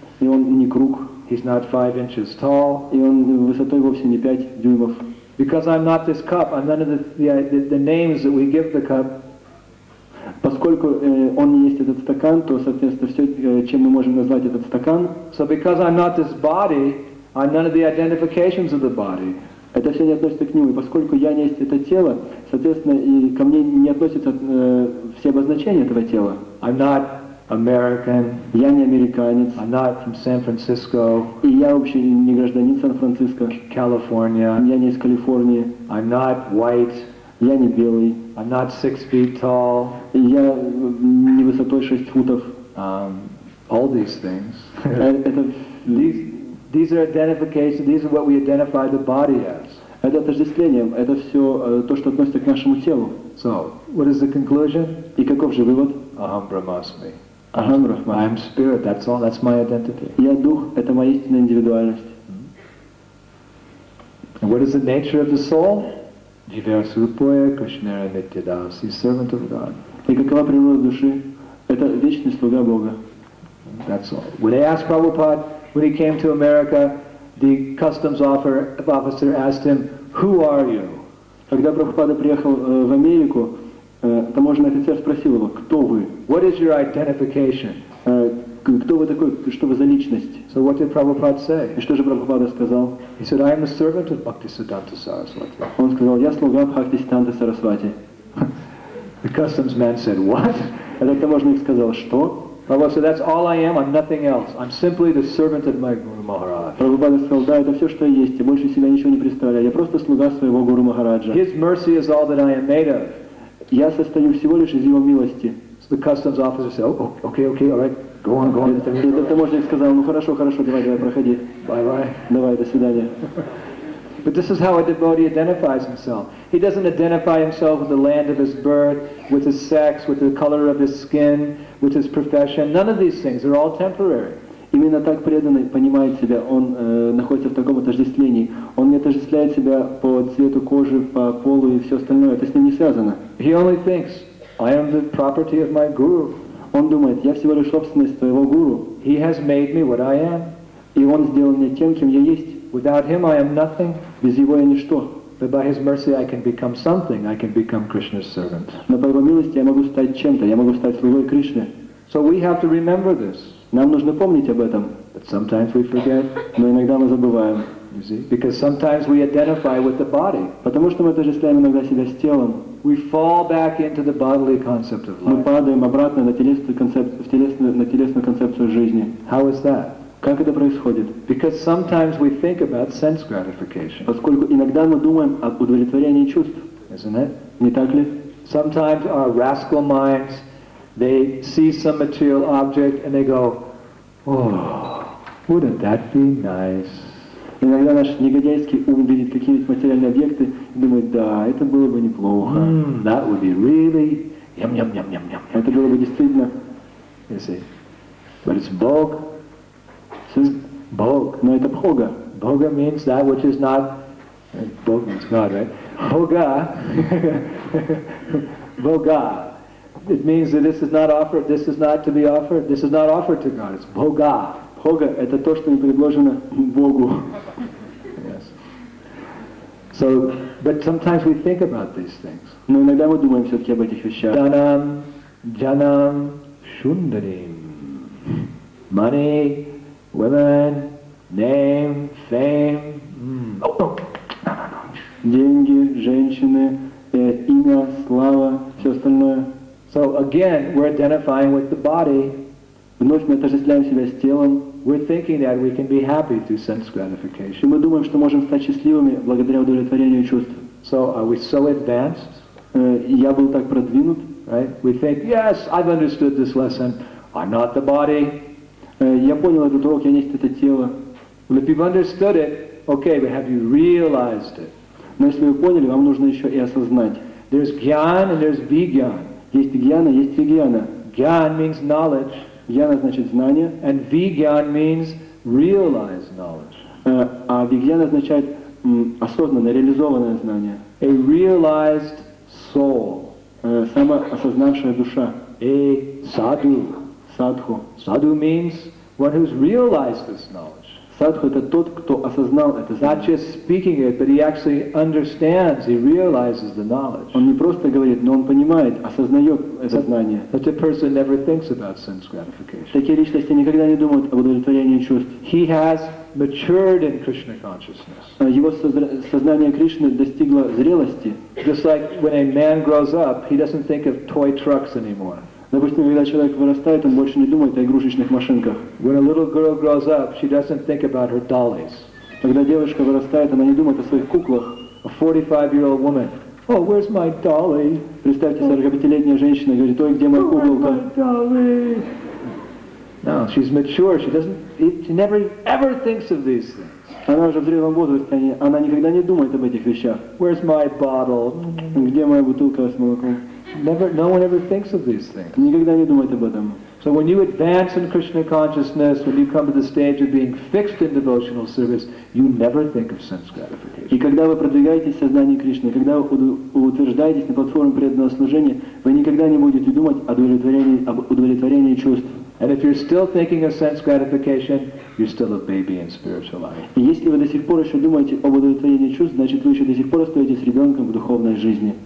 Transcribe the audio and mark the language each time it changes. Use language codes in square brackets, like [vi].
[ru] И он не круг. [en] He's not 5 inches tall. [ru] И он высотой вовсе не 5 дюймов. [en] Because I'm not this cup, I'm none of the names that we give the cup. [ru] Поскольку он не есть этот стакан, то, соответственно, все, чем мы можем назвать этот стакан. [en] So because I'm not this body, I'm none of the identifications of the body. [ru] Это все не относится к нему. И поскольку я не есть это тело, соответственно, и ко мне не относятся все обозначения этого тела. [en] I'm not American. [ru] Я не американец. [en] I'm not from San Francisco. [ru] И я вообще не гражданин Сан-Франциско. [en] California. [ru] Я не из Калифорнии. [en] I'm not white. [ru] Я не белый. [en] I'm not 6 feet tall. [ru] Я не высотой 6 футов. [en] All these things. these are identifications. These are what we identify the body as. [ru] Это отождествление. Это все то, что относится к нашему телу. [en] So, what is the conclusion? [ru] И каков же вывод? [sa] Aham Brahmasmi. Aham Brahmasmi. [en] I'm spirit. That's all. That's my identity. [ru] Я дух. Это моя истинная индивидуальность. Mm-hmm. [en] And what is the nature of the soul? [sa] Jivasupoya Krishnara Nityadasi, [en] servant of God. [ru] И какова природа души? Это вечный слуга Бога. [en] That's all. When they asked Prabhupada, when he came to America, the customs officer asked him, "Who are you?" [ru] Когда Прабхупада приехал в Америку, таможенный офицер спросил его, "Кто вы?" [en] What is your identification? [ru] Кто вы такой? Что вы за личность? [en] So what did Prabhupada say? [ru] И что же Прабхупада сказал? [en] He said, "I am a servant of Bhaktisiddhanta Saraswati." [ru] Он сказал, "Я слуга Бхактисиддханты Сарасвати." [en] The customs man said, "What?" [ru] Этот таможенник сказал, "Что?" [en] Prabhupada said, "That's all I am. I'm nothing else. I'm simply the servant of my Guru Maharaj." [ru] Прабхупада сказал, "Да, это все, что я есть. Я больше себя ничего не представляю. Я просто слуга своего Гуру Махараджа." [en] His mercy is all that I am made of. [ru] Я состою всего лишь из его милости. [en] So the customs officer said, "Oh, okay, all right. Go on, go on." [ru] И этот таможенник сказал, "Ну хорошо, давай, проходи. [en] Bye-bye. [ru] Давай, до свидания." [en] But this is how a devotee identifies himself. He doesn't identify himself with the land of his birth, with his sex, with the color of his skin, with his profession. None of these things. They're all temporary. [ru] Именно так преданный понимает себя. Он находится в таком отождествлении. Он не отождествляет себя по цвету кожи, по полу и все остальное. Это с ним не связано. [en] He only thinks, "I am the property of my guru." [ru] Он думает, я всего лишь собственность твоего гуру. [en] He has made me what I am. [ru] И он сделал меня тем, кем я есть. [en] Without him I am nothing. [ru] Без его я ничто. [en] But by his mercy I can become something. I can become Krishna's servant. [ru] Но по его милости я могу стать чем-то. Я могу стать слугой Кришны. [en] So we have to remember this. [ru] Нам нужно помнить об этом. [en] But sometimes we forget. [ru] Но иногда мы забываем. [en] You see? Because sometimes we identify with the body. [ru] Потому что мы отождествляем иногда себя с телом. [en] We fall back into the bodily concept of life. [ru] Мы падаем обратно на телесную концепцию жизни. [en] How is that? [ru] Как это происходит? [en] Because sometimes we think about sense gratification. [ru] Поскольку иногда мы думаем об удовлетворении чувств. [en] Isn't it? [ru] Не так ли? [en] Sometimes our rascal minds, they see some material object and they go, "Oh, wouldn't that be nice?" [ru] Иногда наш негодяйский ум видит какие-нибудь материальные объекты и думает, да, это было бы неплохо. [en] That would be really yum-yum-yum-yum-yum. [ru] Это было бы действительно. [en] You see. But it's Bog. [ru] Бог. Но это Бога. [en] Boga means that which is not, Boga means God, right? Boga, Boga, it means that this is not offered, this is not to be offered, this is not offered to God, it's Boga. [ru] Boga, это то, что не предложено Богу. [en] Yes. So, but sometimes we think about these things. [ru] Но иногда мы думаем все-таки об этих вещах. [sa] Данам, джанам, шундарим. [en] Money, women, name, fame. [ru] Деньги, женщины, имя, слава, все остальное. [en] So again, we're identifying with the body. [ru] Вновь мы отождествляем себя с телом. [en] We're thinking that we can be happy through sense gratification. [ru] Мы думаем, что можем стать счастливыми благодаря удовлетворению чувств. [en] So are we so advanced? [ru] Я был так продвинут, [en] right? We think, yes, I've understood this lesson. I'm not the body. [ru] Я понял этот урок, я не есть это тело. [en] Well, if you've understood it, okay, but have you realized it? [ru] Но если вы поняли, вам нужно еще и осознать. [en] There's gyan and there's vigyan. [ru] Есть гьяна, есть вигьяна. [en] Gyan means knowledge. [ru] Гьяна значит знание. [en] And vigyan means realized knowledge. [ru] А вигьяна означает осознанное, реализованное знание. [en] A realized soul. [ru] Самоосознавшая душа. [en] A sadhu. Sadhu. Sadhu means one who's realized this knowledge. [ru] Садху – это тот, кто осознал это знание. [en] Not just speaking it, but he actually understands, he realizes the knowledge. [ru] Он не просто говорит, но он понимает, осознает это знание. [en] Such a person never thinks about sense gratification. [ru] Такие личности никогда не думают об удовлетворении чувств. [en] He has matured in Krishna consciousness. [ru] Его сознание Кришны достигло зрелости. [en] Just like when a man grows up, he doesn't think of toy trucks anymore. [ru] Допустим, когда человек вырастает, он больше не думает о игрушечных машинках. [en] When a little girl grows up, she doesn't think about her dollies. [ru] Когда девушка вырастает, она не думает о своих куклах. [en] A 45-year-old woman. Oh, where's my dolly? [ru] Представьте, 45-летняя женщина говорит, ой, где моя куколка? [en] Where's my dolly? No, she's mature. She never ever thinks of these things. [ru] Она уже в зрелом возрасте, она никогда не думает об этих вещах. [en] Where's my bottle? [ru] Где моя бутылка с молоком? [en] Never, no one ever thinks of these things. [ru] Никогда не думает об этом. [en] So when you advance in Krishna consciousness, when you come to the stage of being fixed in devotional service, you never think of sense gratification. [ru] И когда вы продвигаетесь в сознании Кришны, когда вы утверждаетесь на платформе преданного служения, вы никогда не будете думать об удовлетворении чувств. [en] And if you're still thinking of sense gratification, you're still a baby in spiritual life. [ru] Если вы до сих пор еще думаете об удовлетворении чувств, значит вы еще до сих пор остаетесь ребенком в духовной жизни.